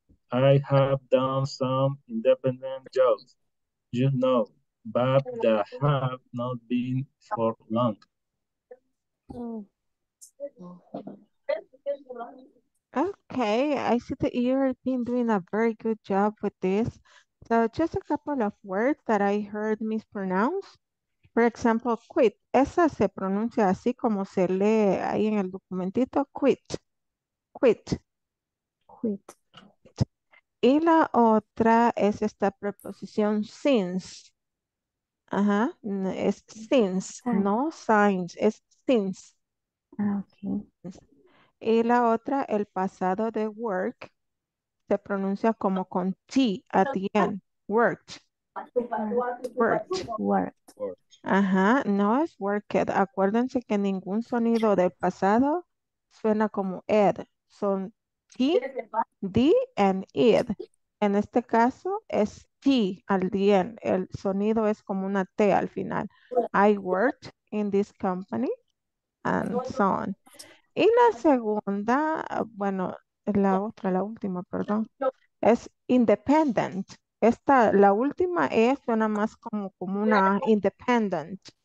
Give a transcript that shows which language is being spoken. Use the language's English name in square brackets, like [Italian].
[English] I have done some independent jobs, you know, but they have not been for long. Okay, I see that you've been doing a very good job with this. So just a couple of words that I heard mispronounced. For example, quit. [Spanish] Esa se pronuncia así como se lee ahí en el documentito. [English] Quit. Quit. Quit. [Spanish] Y la otra es esta preposición since. Ajá, es since, no signs, es since. [English] Okay. [Spanish] Y la otra, el pasado de work, se pronuncia como con T [English] at the end. Worked. Worked. Worked. [Spanish] Ajá, no es worked. Acuérdense que ningún sonido del pasado suena como ed. Son T, D, and ed. En este caso es T [English] at the end. [Spanish] El sonido es como una T al final. [English] I worked in this company and so on. [Spanish] Y la segunda, bueno, la otra, la última, perdón, es independent. Esta, la última es suena más como una independent.